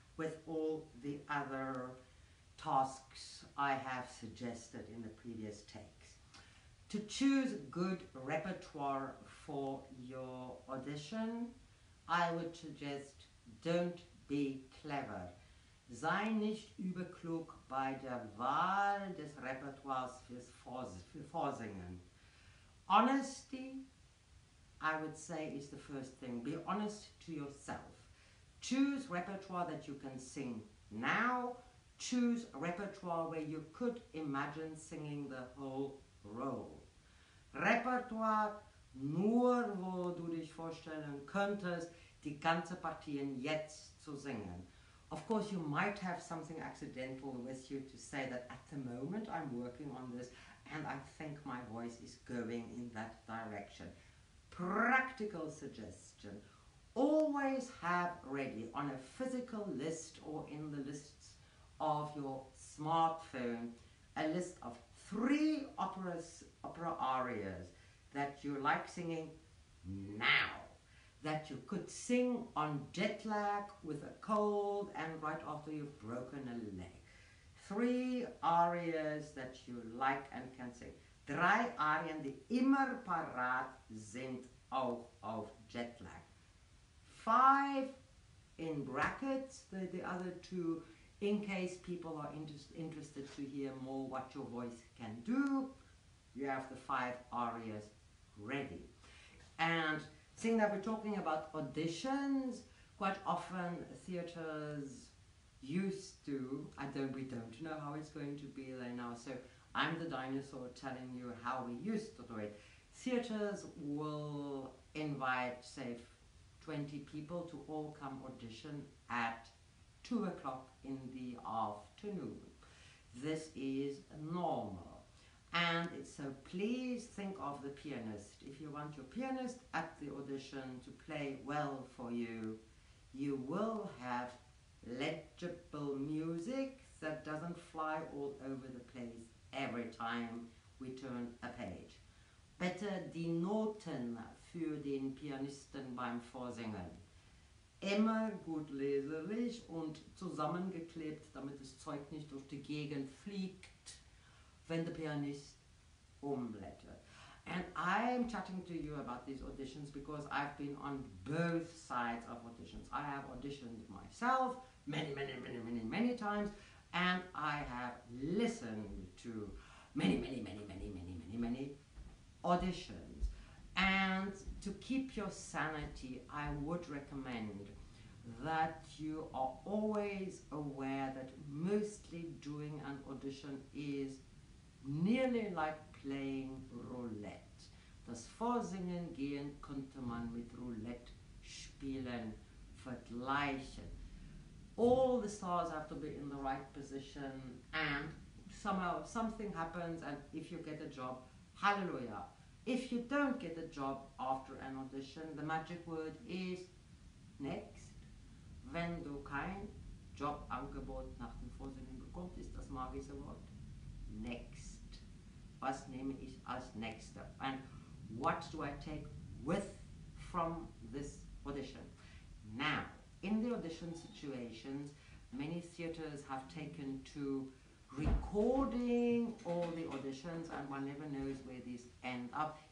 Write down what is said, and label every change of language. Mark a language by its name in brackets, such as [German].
[English] with all the other tasks I have suggested in the previous takes. To choose good repertoire for your audition, I would suggest don't be clever. [German] Sei nicht überklug bei der Wahl des Repertoires für Vorsingen. [English] Honesty, I would say, is the first thing. Be honest to yourself. Choose repertoire that you can sing now. Choose a repertoire where you could imagine singing the whole role. [German] Repertoire nur, wo du dich vorstellen könntest, die ganze Partien jetzt zu singen. [English] Of course, you might have something accidental with you to say that at the moment I'm working on this and I think my voice is going in that direction. Practical suggestion. Always have ready on a physical list or in the lists of your smartphone a list of three opera arias that you like singing now, that you could sing on jet lag with a cold and right after you've broken a leg. Three arias that you like and can sing. [German] Drei Arien, die immer parat sind auch auf jet lag. [English] Five in brackets, the other two, in case people are interested to hear more what your voice can do, you have the five arias ready. And seeing that we're talking about auditions, quite often theatres used to, we don't know how it's going to be there now, so I'm the dinosaur telling you how we used to do it. Theatres will invite, say, 20 people to all come audition at 2 o'clock in the afternoon. This is normal. And so please think of the pianist. If you want your pianist at the audition to play well for you, you will have legible music that doesn't fly all over the place every time we turn a page. [German] Bitte die Noten für den Pianisten beim Vorsingen immer gut leserlich und zusammengeklebt, damit das Zeug nicht durch die Gegend fliegt, wenn der Pianist umblättert. [English] And I'm chatting to you about these auditions because I've been on both sides of auditions. I have auditioned myself many times, and I have listened to many auditions. And to keep your sanity, I would recommend that you are always aware that mostly doing an audition is nearly like playing Roulette. [German] Das Vorsingen gehen könnte man mit Roulette spielen vergleichen. [English] All the stars have to be in the right position, and somehow something happens, and if you get a job, hallelujah. If you don't get a job after an audition, the magic word is next. [German] Wenn du kein Jobangebot nach dem Vorsingen bekommst, ist das magische Wort next. Was nehme ich als nächste? [English] And what do I take with from this audition? Now, in the audition situations, many theatres have taken to recording all the auditions, and one never knows where these end up.